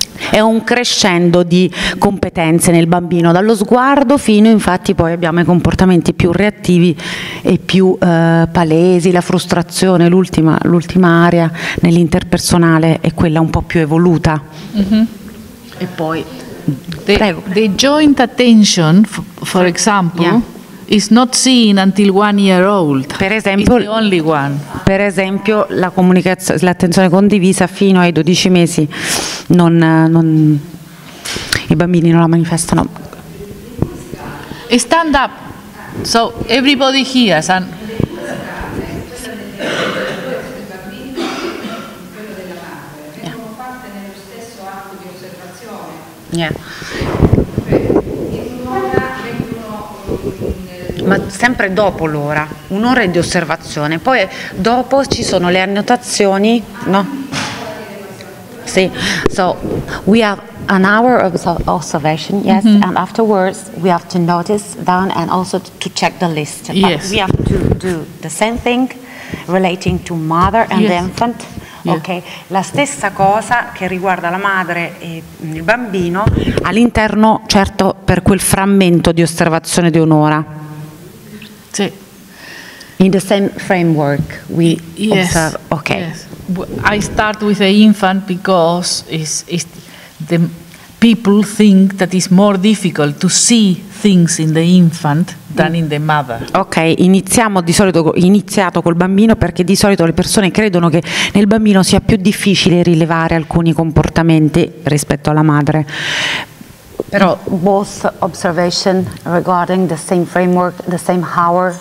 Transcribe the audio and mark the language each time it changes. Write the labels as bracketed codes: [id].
[it] È un crescendo di competenze nel bambino, dallo sguardo fino, infatti, poi abbiamo i comportamenti più reattivi e più palesi, la frustrazione, l'ultima area nell'interpersonale è quella un po' più evoluta. Mm-hmm. E poi [en] the joint attention, for example, yeah, is not seen until 1 year old. [it] Per esempio, [en] the only one. [it] Per esempio, la comunicazione, l'attenzione condivisa fino ai 12 mesi non i bambini non la manifestano. [en] Stand up. So everybody here. Yeah. [it] Ma sempre dopo l'ora, un'ora di osservazione, poi dopo ci sono le annotazioni, no? Sì, [en] so we have an hour of observation, yes, mm-hmm, and afterwards we have to notice down and also to check the list. But yes, we have to do the same thing relating to mother and, yes, the infant. Yeah. [it] Ok, la stessa cosa che riguarda la madre e il bambino all'interno, certo, per quel frammento di osservazione di un'ora. Sì. [en] In the same framework we, yes, observe. Okay. Yes. I start with the infant because is the people think that it's more difficult to see things in the infant than in the mother. [it] Ok, iniziamo di solito, iniziato col bambino, perché di solito le persone credono che nel bambino sia più difficile rilevare alcuni comportamenti rispetto alla madre. Però [en] both observation regarding the same framework, the same hour.